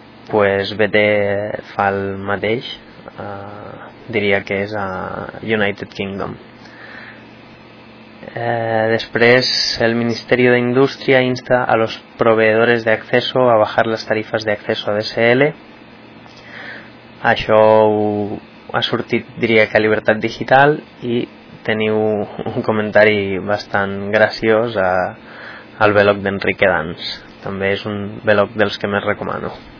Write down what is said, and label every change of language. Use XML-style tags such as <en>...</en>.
<ca>Pues BT fa el mateix, diria que és a United Kingdom. Després, el Ministeri d'Indústria</ca> <es>insta a los proveedores de acceso a bajar las tarifas de acceso a DSL.</es> <ca>Això ha sortit, diria que a Libertat Digital, i teniu un comentari bastant graciós al Veloc d'Enrique Dans. També és un Veloc dels que més recomano.</ca>